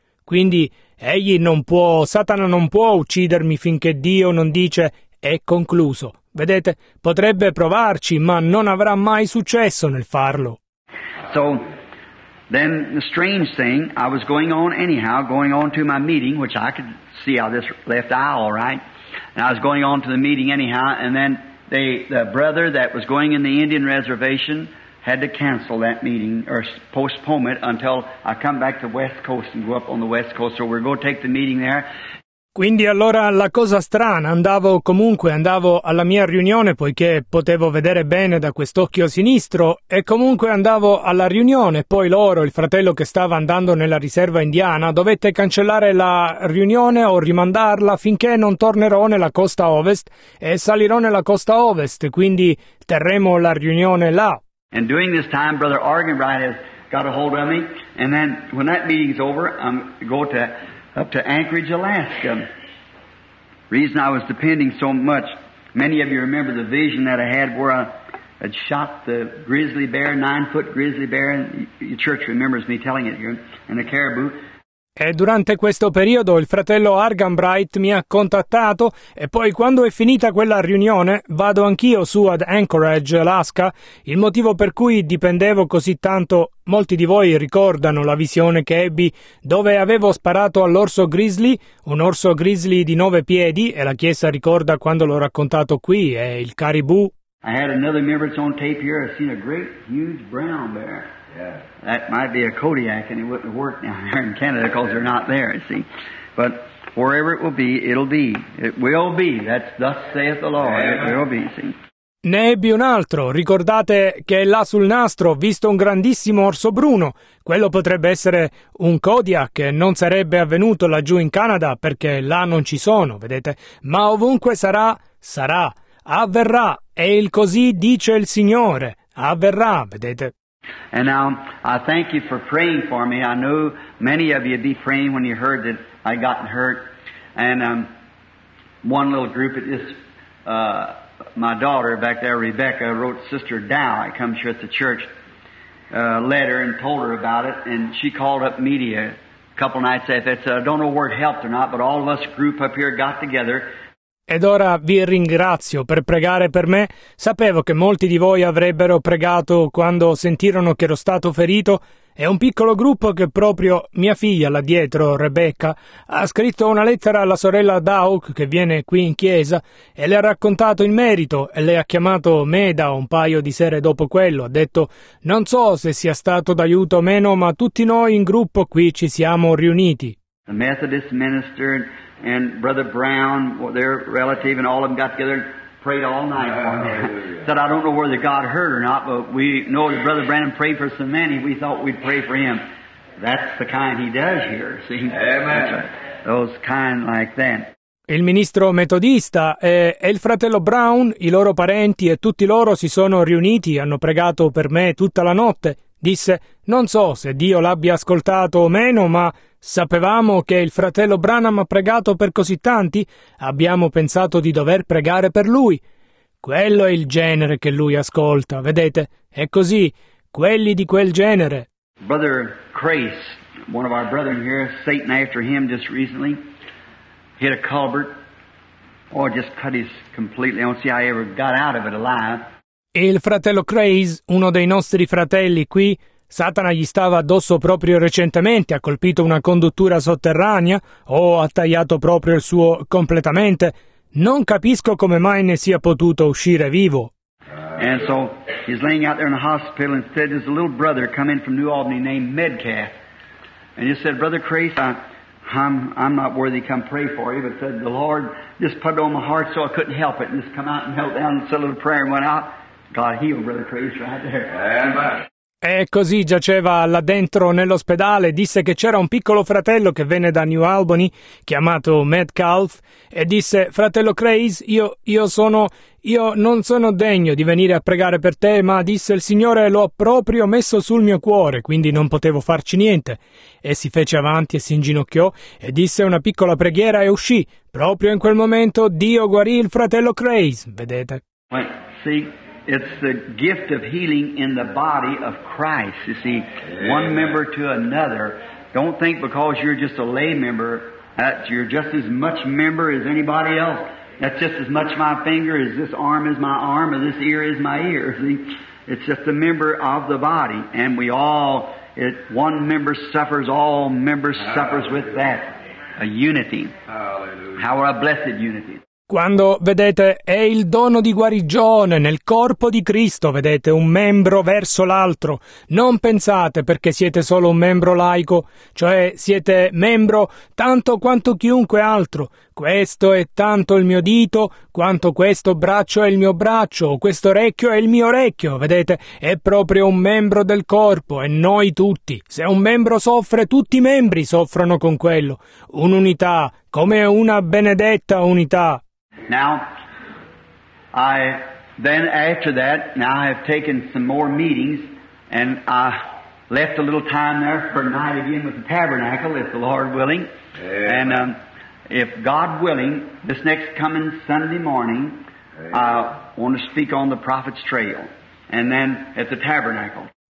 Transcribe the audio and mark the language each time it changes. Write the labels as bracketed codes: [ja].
[it] Quindi, egli non può, Satana non può uccidermi finché Dio non dice, è concluso. Vedete, potrebbe provarci, ma non avrà mai successo nel farlo. [en] So, then the strange thing, I was going on anyhow, going on to my meeting, which I could see out this left eye, all right. And I was going on to the meeting anyhow, and then the brother that was going in the Indian reservation had to cancel that meeting or postpone it until I come back to West Coast and go up on the West Coast. So we're going to take the meeting there. [it] Quindi allora la cosa strana, andavo alla mia riunione poiché potevo vedere bene da quest'occhio sinistro e comunque andavo alla riunione, poi loro, il fratello che stava andando nella riserva indiana, dovette cancellare la riunione o rimandarla finché non tornerò nella costa ovest e salirò nella costa ovest, quindi terremo la riunione là. [en] And during this time, Brother Argenbright has got a hold of me, and then when that meeting's over, I'm going to up to Anchorage, Alaska. Reason I was depending so much, many of you remember the vision that I had where I had shot the grizzly bear, 9-foot grizzly bear, and your church remembers me telling it here, and the caribou. [it] E durante questo periodo il fratello Argenbright mi ha contattato e poi quando è finita quella riunione vado anch'io su ad Anchorage, Alaska, il motivo per cui dipendevo così tanto, molti di voi ricordano la visione che ebbi dove avevo sparato all'orso grizzly, un orso grizzly di 9 piedi e la chiesa ricorda quando l'ho raccontato qui, è il caribou. [en] I had another member that's on tape here, I've seen a great huge brown bear. Yeah. That might be a Kodiak, and it wouldn't work down there in Canada because they're not there, you see. But wherever it will be, it'll be. It will be. That's thus saith the Lord. It will be, see. [it] Ne ebbi un altro. Ricordate che là sul nastro ho visto un grandissimo orso bruno. Quello potrebbe essere un Kodiak, non sarebbe avvenuto laggiù in Canada perché là non ci sono, vedete. Ma ovunque sarà, sarà. Avverrà. E il così dice il Signore. Avverrà, vedete. [en] And now I thank you for praying for me. I know many of you be praying when you heard that I gotten hurt. And one little group at this, my daughter back there, Rebecca, wrote Sister Dow, I come here at the church, a letter and told her about it. And she called up media a couple nights after. I said, I don't know where it helped or not, but all of us group up here got together. [it] Ed ora vi ringrazio per pregare per me. Sapevo che molti di voi avrebbero pregato quando sentirono che ero stato ferito. È un piccolo gruppo che proprio mia figlia là dietro, Rebecca, ha scritto una lettera alla sorella Dawk che viene qui in chiesa e le ha raccontato in merito e le ha chiamato Meda un paio di sere dopo quello. Ha detto: non so se sia stato d'aiuto o meno, ma tutti noi in gruppo qui ci siamo riuniti. [en] The Methodist minister and Brother Brown, their relative, and all of them got together and prayed all night for me. Said, I don't know whether God heard or not, but we know that Brother Branham prayed for so many, we thought we'd pray for him. That's the kind he does here, see? Amen. Those kind like that. [it] Il ministro metodista e il fratello Brown, i loro parenti e tutti loro si sono riuniti, hanno pregato per me tutta la notte. Disse, non so se Dio l'abbia ascoltato o meno, ma sapevamo che il fratello Branham ha pregato per così tanti, abbiamo pensato di dover pregare per lui. Quello è il genere che lui ascolta, vedete? È così, quelli di quel genere. [en] Brother Crace, one of our brethren here, Satan after him just recently, hit a culvert, or just cut his completely, I don't see how he ever got out of it alive. [it] Il fratello Craze, uno dei nostri fratelli qui, Satana gli stava addosso proprio recentemente, ha colpito una conduttura sotterranea o ha tagliato proprio il suo completamente. Non capisco come mai ne sia potuto uscire vivo. [en] And so he's laying out there in the hospital and said there's a little brother come in from New Albany named Medcalf. And he said, Brother Craze, I'm not worthy to come pray for you, but said the Lord just put it on my heart so I couldn't help it and just come out and knelt down and said a little prayer and went out. God healed Brother Craze right there. [it] E così giaceva là dentro nell'ospedale, disse che c'era un piccolo fratello che venne da New Albany, chiamato Metcalf, e disse, fratello Craze, io non sono degno di venire a pregare per te, ma disse il Signore lo ha proprio messo sul mio cuore, quindi non potevo farci niente. E si fece avanti e si inginocchiò e disse una piccola preghiera e uscì. Proprio in quel momento Dio guarì il fratello Craze, vedete? [en] Wait, see? It's the gift of healing in the body of Christ, you see, one member to another. Don't think because you're just a lay member that you're just as much member as anybody else. That's just as much my finger as this arm is my arm or this ear is my ear, see. It's just a member of the body, and we all, it, one member suffers, all members Hallelujah. Suffers with that, a unity. Hallelujah. How are a blessed unity. [it] Quando, vedete, è il dono di guarigione nel corpo di Cristo, vedete, un membro verso l'altro. Non pensate perché siete solo un membro laico, cioè siete membro tanto quanto chiunque altro. Questo è tanto il mio dito, quanto questo braccio è il mio braccio, questo orecchio è il mio orecchio, vedete, è proprio un membro del corpo, e noi tutti. Se un membro soffre, tutti i membri soffrono con quello. Un'unità, come una benedetta unità. [en] Now, after that, I have taken some more meetings, and I left a little time there for night again with the tabernacle, if the Lord willing. Amen. And if God willing, this next coming Sunday morning, I want to speak on the prophet's trail, and then at the tabernacle.